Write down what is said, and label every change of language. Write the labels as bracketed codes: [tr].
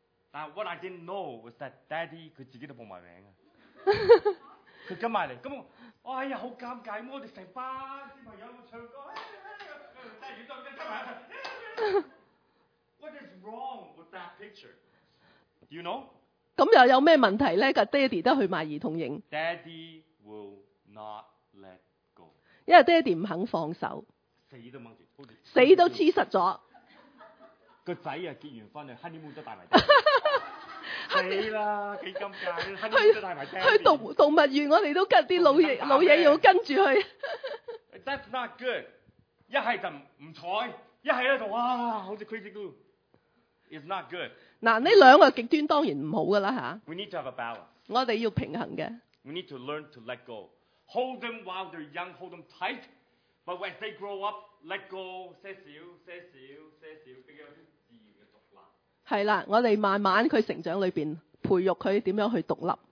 [en] 但 what I didn't know was that daddy [yue] 佢自己都報埋名啊。佢跟埋嚟，咁我哎呀好尷尬，我哋成班小朋友唱歌，爹哋再跟埋一齊。 [en] What is wrong with that picture? Do you know? [yue] 咁又有咩問題咧？個爹哋都去埋兒童營。 [en] Daddy will not. [yue] 因為爹哋唔肯放手，死都掹住，死都黐實咗。個仔啊，結完婚啊 ，honeymoon 都帶埋，死啦幾尷尬 ，honeymoon 都帶埋爹。去動物園，我哋都跟啲老嘢要跟住去。 [en] That's not good。 [yue] 一係就唔睬，一係咧就哇，好似 crazy girl。 [en] It's not good。 [yue] 嗱，呢兩個極端當然唔好噶啦嚇。 [en] We need to have a balance。 [yue] 我哋要平衡嘅。 [en] We need to learn to let go。 Hold them while they're young, hold them tight. But when they grow up, let go, [yue] 些少些少些少，比較自然嘅獨立。係啦，我哋慢慢佢成長裏邊培育佢點樣去獨立。